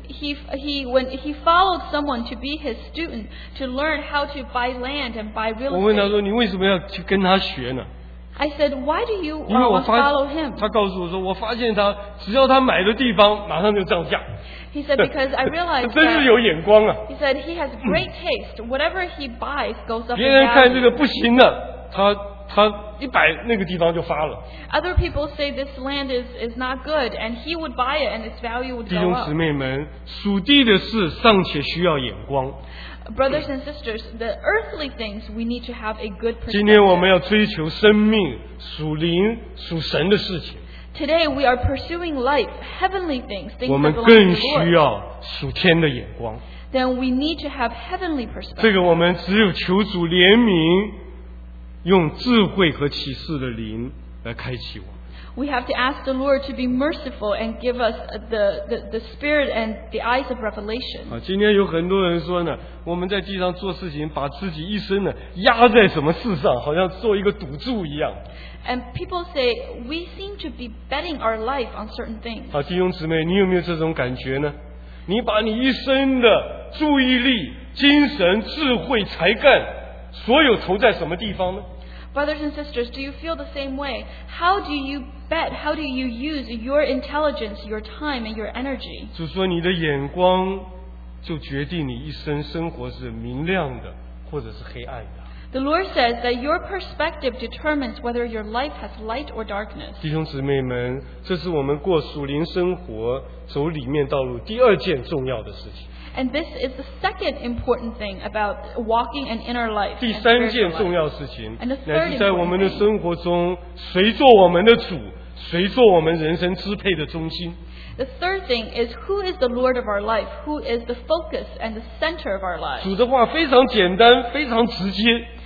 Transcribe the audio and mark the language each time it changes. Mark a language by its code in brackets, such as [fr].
[en] He followed someone to be his student to learn how to buy land and buy real estate. [zh] 我问他说你为什么要去跟他学呢？ [en] I said, why do you want to follow him? [zh] 他告诉我说我发现他只要他买的地方马上就涨价。 [en] He said, because I realized that [zh] 真是有眼光啊。 [en] He said, he has great taste. Whatever he buys goes up. [zh] 别人看这个不行的，他一摆那个地方就发了。 [en] Other people say this land is not good, and he would buy it, and its value would go up. [zh] 弟兄姊妹们，属地的事尚且需要眼光。 [en] Brothers and sisters, the earthly things we need to have a good perspective. [zh] 今天我们要追求生命、属灵、属神的事情。 [en] Today we are pursuing life, heavenly things. [zh] 我们更需要属天的眼光。 [en] Then we need to have heavenly perspective. [zh] 这个我们只有求主怜悯，用智慧和启示的灵来开启我们。 [en] We have to ask the Lord to be merciful and give us the spirit and the eyes of revelation. [zh] 今天有很多人说呢，我们在地上做事情，把自己一生呢压在什么事上，好像做一个赌注一样。 [en] And people say we seem to be betting our life on certain things. [zh] 好，弟兄姊妹，你有没有这种感觉呢？你把你一生的注意力、精神、智慧、才干，所有投在什么地方呢？ [en] Brothers and sisters, do you feel the same way? How do you bet? How do you use your intelligence, your time, and your energy? [zh] 主说你的眼光就决定你一生生活是明亮的或者是黑暗的。 [en] The Lord says that your perspective determines whether your life has light or darkness. [zh] 弟兄姊妹们，这是我们过属灵生活走里面道路第二件重要的事情。 [en] And this is the second important thing about walking an inner life. [zh] 第三件重要事情，乃是在我们的生活中，谁做我们的主，谁做我们人生支配的中心。 [en] The third thing is who is the Lord of our life, who is the focus and the center of our life. [zh] 主的话非常简单，非常直接。